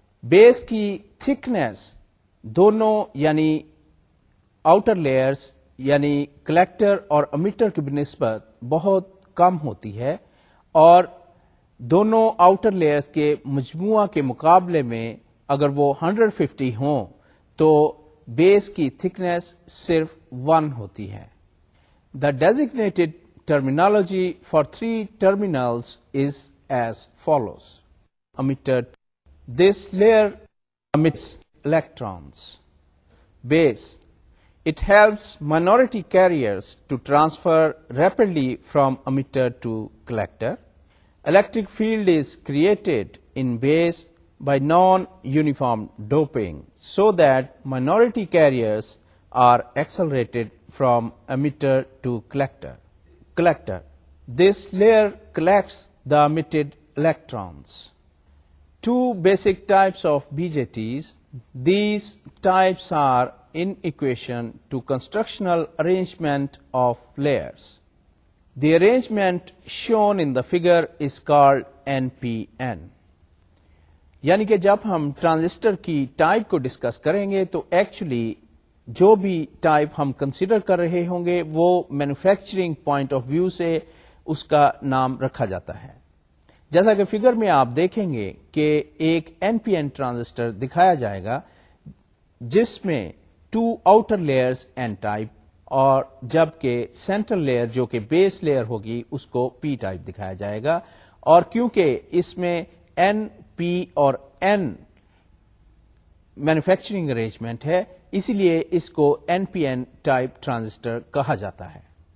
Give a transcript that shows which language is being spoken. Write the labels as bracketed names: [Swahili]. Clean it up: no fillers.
[Urdu] بیس کی تھکنیس دونوں یعنی آؤٹر لیئرز یعنی کلیکٹر اور امیٹر کی بنسبت بہت کم ہوتی ہے, اور دونوں آؤٹر لیئرز کے مجموعہ کے مقابلے میں اگر وہ 150 ہوں تو بیس کی تھکنیس صرف 1 ہوتی ہے. [English] The designated terminology for 3 terminals is as follows. Emitter, this layer emits electrons. Base, it helps minority carriers to transfer rapidly from emitter to collector. Electric field is created in base by non-uniform doping so that minority carriers are accelerated from emitter to collector. Collector. This layer collects the emitted electrons. Two basic types of BJTs. These types are in equation to constructional arrangement of layers. The arrangement shown in the figure is called NPN. [Urdu] یعنی کہ جب ہم transistor کی type کو discuss کریں گے تو actually جو بھی ٹائپ ہم کنسیڈر کر رہے ہوں گے وہ مینوفیکچرنگ پوائنٹ آف ویو سے اس کا نام رکھا جاتا ہے. جیسا کہ فگر میں آپ دیکھیں گے کہ ایک NPN ٹرانزسٹر دکھایا جائے گا جس میں to outer layers N type, اور جبکہ سینٹرل لیئر جو کہ بیس لیئر ہوگی اس کو پی ٹائپ دکھایا جائے گا, اور کیونکہ اس میں این پی اور این مینوفیکچرنگ ارینجمنٹ ہے اسی لیے اس کو N P N type transistor کہا جاتا ہے.